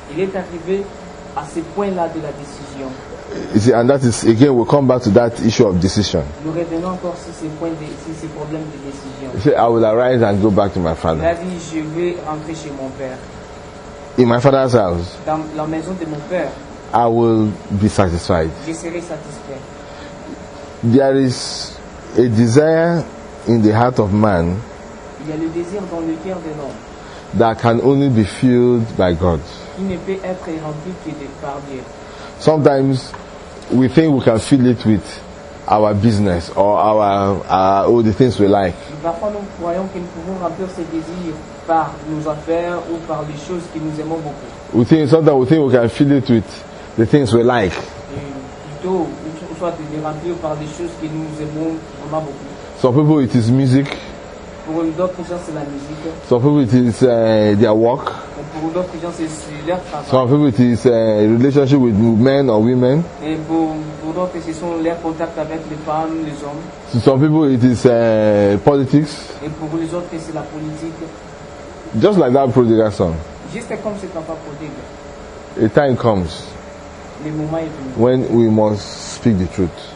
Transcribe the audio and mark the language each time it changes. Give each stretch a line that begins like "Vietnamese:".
French: Il est arrivé à ce point-là de la décision.
English: You see, and that is, again, we'll come back to that issue of decision.
French: Nous revenons encore sur ce point de, sur ce problème de décision.
English: You see, I will arise and go back to my father.
French: Il a dit, je vais rentrer chez mon père.
English: In my father's house.
French: Dans la maison de mon père.
English: I will be satisfied.
French: Je serai satisfait.
English: There is a desire in the heart of man.
French: Il y a le désir dans le cœur de l'homme.
English: That can only be filled by God.
French: Qui ne peut être rempli que de par Dieu.
English: Sometimes we think we can fill it with our business or our all the things we like.
French: Parfois nous croyons que nous pouvons remplir ces désirs par nos affaires ou par les choses que nous aimons beaucoup.
English: We think sometimes we think we can fill it with the things we like.
French: Plutôt, soit de remplir par des choses que nous aimons vraiment beaucoup.
English: Some people it is music.
French: Pour d'autres gens c'est la musique.
English: Some people it is their work.
French: Pour d'autres gens, c'est leur travail.
English: Some people it is a relationship with men or women.
French: Et pour d'autres, ce sont leurs contacts avec les femmes, les hommes.
English: So some people it is politics.
French: Et pour les autres, c'est la politique.
English: Just like that prodigal son.
French: Juste comme cet enfant prodigue.
English: A time comes.
French: Le moment est venu.
English: When we must speak the truth.